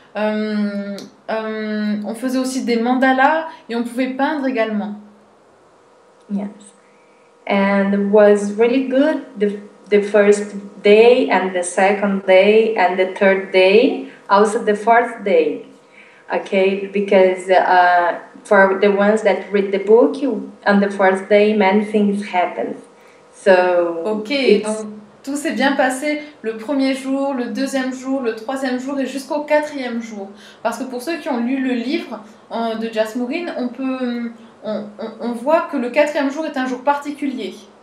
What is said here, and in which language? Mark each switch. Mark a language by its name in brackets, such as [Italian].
[French] On faisait aussi des mandalas et on pouvait peindre également. [English] Yes. And it was really good the first day and the second day and the third day, also the fourth day. Okay, because for the ones that read the book, on the fourth day, many things happen. So [French] okay, donc tout s'est bien passé le premier jour, le deuxième jour, le troisième jour et jusqu'au quatrième jour. Parce que pour ceux qui ont lu le livre de Jasmourine, on voit que le quatrième jour est un jour particulier.